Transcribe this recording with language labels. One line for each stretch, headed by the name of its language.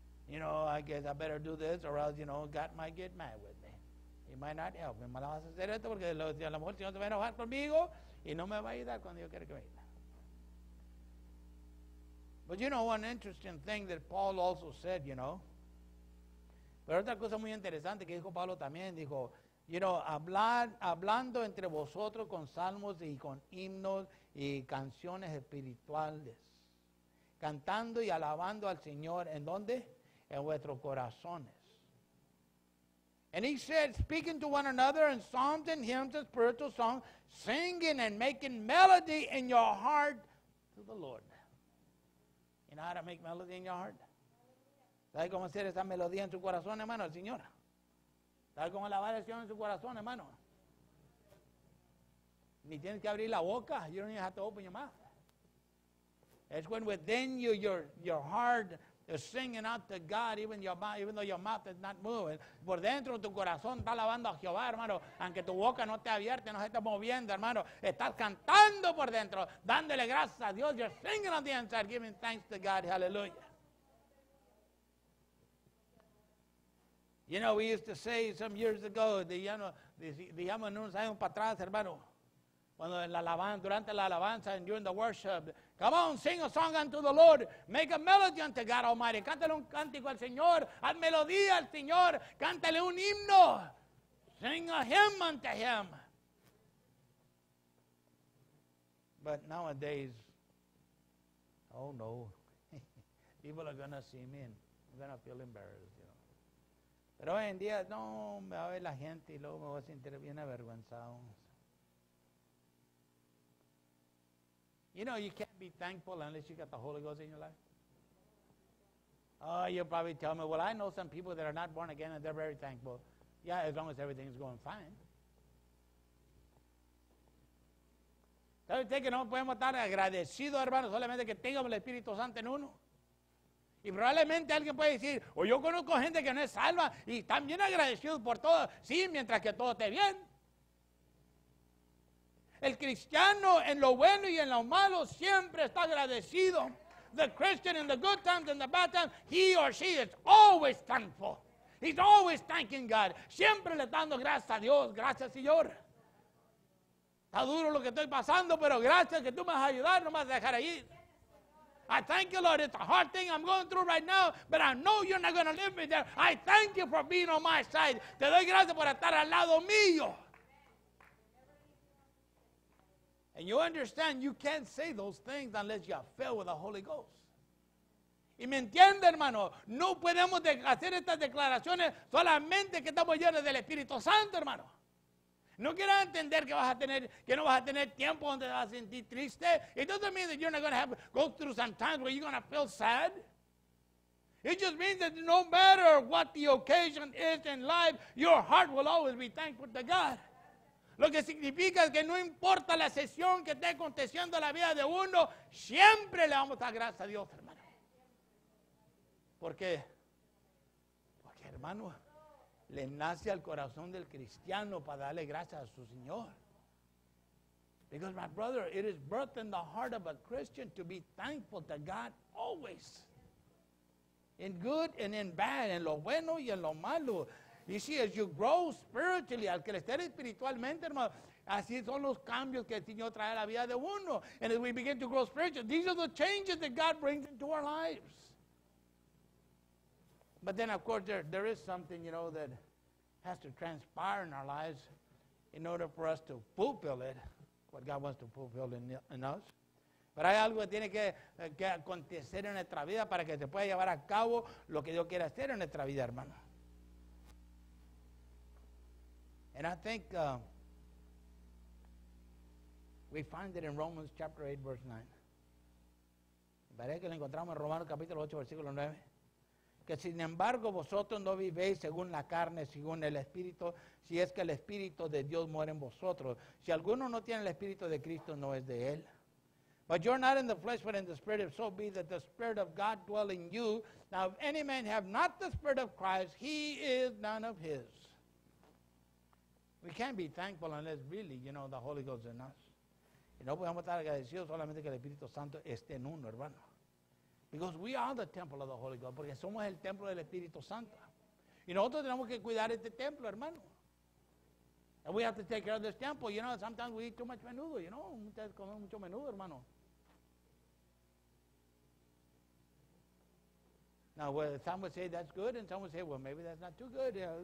English: You know, I guess I better do this or else, you know, God might get mad with me. He might not help me.
Spanish: ¿Me vas a hacer esto? Porque a lo mejor el Señor se va a enojar conmigo y no me va a ayudar cuando yo quiera que me ayude.
English: But you know, one interesting thing that Paul also said, you know.
Spanish: Pero otra cosa muy interesante que dijo Pablo también, dijo,
English: you know,
Spanish: hablando entre vosotros con salmos y con himnos y canciones espirituales, cantando y alabando al Señor, ¿en dónde? En vuestros corazones.
English: And he said, speaking to one another in psalms and hymns and spiritual songs, singing and making melody in your heart to the Lord. You know how to make melody in your heart?
Spanish: ¿Sabes cómo hacer esa melodía en su corazón, hermano, el Señor? ¿Sabes cómo alabar al Señor en su corazón, hermano? Ni tienes que abrir la boca.
English: You don't even have to open your mouth. It's when within you, your heart, you're singing out to God, even though your mouth is not moving.
Spanish: Por dentro de tu corazón está alabando a Jehová, hermano. Aunque tu boca no esté abierta, no se esté moviendo, hermano. Estás cantando por dentro, dándole gracias a Dios.
English: You're singing on the inside, giving thanks to God. Hallelujah. You know, we used to say some years ago,
Spanish: digamos, en unos años para atrás, hermano. Cuando en la alabanza, durante la alabanza,
English: and during the worship, come on, sing a song unto the Lord. Make a melody unto God Almighty.
Spanish: Cántale un cántico al Señor. Haz melodía al Señor. Cántale un himno.
English: Sing a hymn unto him. But nowadays, oh no, people are going to see me and they're going to feel embarrassed, you know.
Spanish: Pero hoy en día, no, me va a ver la gente y luego me voy a sentir bien avergonzado.
English: You know, you can't be thankful unless you got the Holy Ghost in your life. Oh, you'll probably tell me, well, I know some people that are not born again and they're very thankful. Yeah, as long as everything's going fine.
Spanish: ¿Sabe usted que no podemos estar agradecidos, hermano, solamente que tengamos el Espíritu Santo en uno? Y probablemente alguien puede decir, o yo conozco gente que no es salva y están bien agradecidos por todo. Sí, mientras que todo esté bien. El cristiano en lo bueno y en lo malo siempre está agradecido.
English: The Christian in the good times and the bad times, he or she is always thankful. He's always thanking God.
Spanish: Siempre le dando gracias a Dios. Gracias, Señor. Está duro lo que estoy pasando, pero gracias que tú me vas a ayudar, no me vas a dejar ahí.
English: I thank you, Lord. It's a hard thing I'm going through right now, but I know you're not going to leave me there. I thank you for being on my side.
Spanish: Te doy gracias por estar al lado mío.
English: And you understand you can't say those things unless you are filled with the Holy Ghost.
Spanish: Y me entiende, hermano. No podemos hacer estas declaraciones solamente que estamos llenos del Espíritu Santo, hermano. No quieras entender que vas a tener, que no vas a tener tiempo donde vas a sentir triste.
English: It doesn't mean that you're not going to have go through some times where you're going to feel sad. It just means that no matter what the occasion is in life, your heart will always be thankful to God.
Spanish: Lo que significa es que no importa la sesión que esté aconteciendo en la vida de uno, siempre le vamos a dar gracias a Dios, hermano. ¿Por qué? Porque, hermano, le nace al corazón del cristiano para darle gracias a su Señor.
English: Because, my brother, it is birthed in the heart of a Christian to be thankful to God always. In good and in bad,
Spanish: en lo bueno y en lo malo.
English: You see, as you grow spiritually,
Spanish: al crecer espiritualmente, hermano, así son los cambios que el Señor trae a la vida de uno.
English: And as we begin to grow spiritually, these are the changes that God brings into our lives. But then, of course, there is something, you know, that has to transpire in our lives in order for us to fulfill it, what God wants to fulfill in us.
Spanish: Pero hay algo que tiene que acontecer en nuestra vida para que se pueda llevar a cabo lo que Dios quiere hacer en nuestra vida, hermano.
English: And I think we find it in Romans chapter 8, verse 9.
Spanish: Parece que lo encontramos en Romanos capítulo 8, versículo 9. Que sin embargo vosotros no vivéis según la carne, según el Espíritu, si es que el Espíritu de Dios muere en vosotros. Si alguno no tiene el Espíritu de Cristo, no es de él.
English: But you're not in the flesh, but in the Spirit, if so be that the Spirit of God dwell in you. Now if any man have not the Spirit of Christ, he is none of his. We can't be thankful unless really, you know, the Holy Ghost is in us.
Spanish: Y no podemos estar agradecidos solamente que el Espíritu Santo esté en uno, hermano.
English: Because we are the temple of the Holy Ghost,
Spanish: porque somos el templo del Espíritu Santo. Y nosotros tenemos que cuidar este templo, hermano.
English: And we have to take care of this temple. You know, sometimes we eat too much menudo, you know.
Spanish: Ustedes comen mucho menudo, hermano.
English: Now, well, some would say that's good, and some would say, well, maybe that's not too good.